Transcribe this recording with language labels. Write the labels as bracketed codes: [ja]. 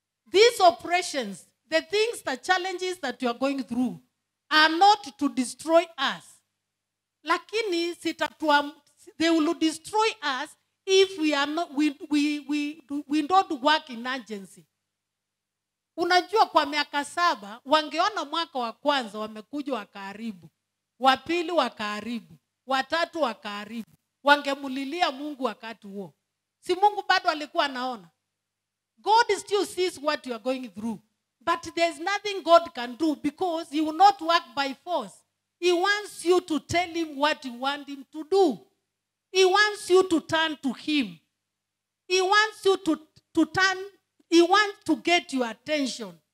[en] These oppressions, the things, the challenges that you are going through, are not to destroy us. [sw] Lakini sitatua, [en] they will destroy us if we are not we don't work in urgency. [sw] Unajua kwa miaka saba, wangeona mwaka wa kwanza wamekuja wakaribu, wa pili wakaribu, wa tatu wakaribu, wangemulilia Mungu wakati huo. Si Mungu bado alikuwa anaona. [en] God still sees what you are going through. But there's nothing God can do because he will not work by force. He wants you to tell him what you want him to do. He wants you to turn to him. He wants you to turn, he wants to get your attention.